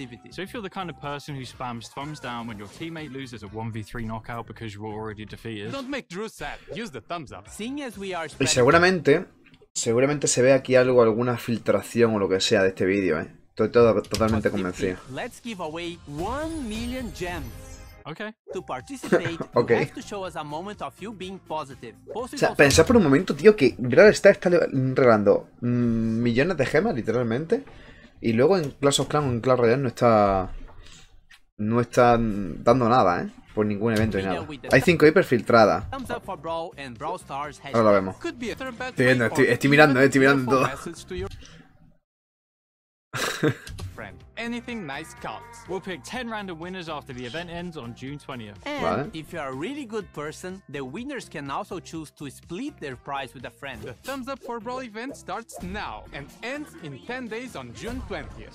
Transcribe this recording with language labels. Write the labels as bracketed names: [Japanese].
[English] So if you're the kind of person who spams thumbs down when your teammate loses a 1v3 knockout because you're already defeated. Don't make Drew sad. Use the thumbs up. Seeing as we are. [Spanish] Y seguramente se ve aquí algo, alguna filtración o lo que sea de este vídeo, ¿eh? Estoy totalmente convencido. [English] Let's give away 1 million gems. Okay. To participate, okay. You have to show us a moment of you being positive. [Spanish] Post, o sea, pensad por un momento, tío, que Brawl Stars está regalando millones de gemas, literalmente. Y luego en Clash of Clans o en Clash Royale no está dando nada, ¿eh? Por ningún evento ni nada. Hay 5 hiper filtrada. Ahora lo vemos. Estoy viendo, estoy mirando todo. [English] Friend, anything nice counts. We'll pick 10 random winners after the event ends on June 20th. And vale. If you're a really good person, the winners can also choose to split their prize with a friend. The Thumbs Up for Brawl event starts now and ends in 10 days on June 20th.